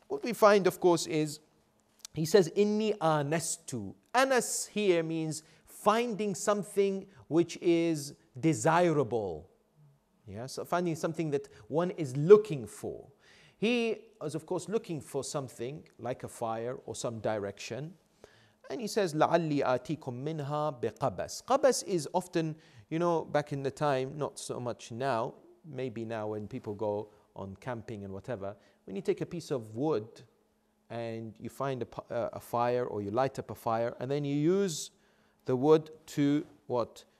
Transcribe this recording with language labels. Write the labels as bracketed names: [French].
[English] What we find, of course, is he says, [Arabic] إِنِّي آنَسْتُ. [English] Anas here means finding something which is desirable. Yeah, so finding something that one is looking for. He is, of course, looking for something like a fire or some direction. And he says, [Arabic] لَعَلِّي آتِيكُم مِّنْهَا بِقَبَسٍ. [English] قَبَس is often, you know, back in the time, not so much now, maybe now when people go on camping and whatever, when you take a piece of wood and you find a fire or you light up a fire and then you use the wood to what?